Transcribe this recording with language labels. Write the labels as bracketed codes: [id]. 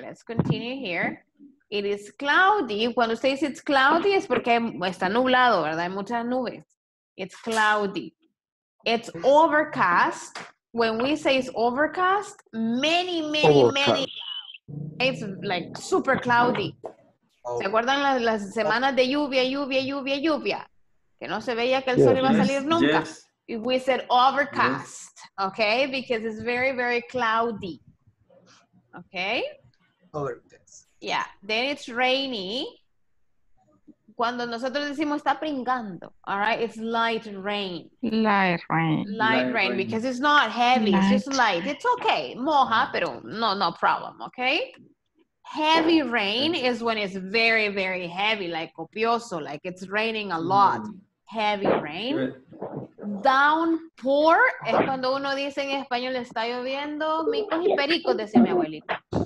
[en] Let's continue here. It is cloudy. [es] Cuando usted dice [en] it's cloudy, [es] es porque está nublado, ¿verdad? Hay muchas nubes. [en] It's cloudy. It's overcast. when we say it's overcast, many, many, many, it's like super cloudy. [es] ¿Se acuerdan las semanas de lluvia, lluvia, lluvia, lluvia? Que no se veía que el sol iba a salir nunca. [en] Yes. We said overcast, okay? Because it's very, very cloudy. Okay? Overcast. Yeah, then it's rainy. [es] Cuando nosotros decimos está pringando, [en] all right? It's light rain. Light rain. Light rain, rain. Because it's not heavy, light. It's just light. It's okay, [es] moja, pero no, [en] no problem, okay? Heavy rain is when it's very, very heavy, like copioso, like it's raining a lot. Heavy rain. [es] Downpour es cuando uno dice en español está lloviendo, micos y pericos, decía mi abuelita.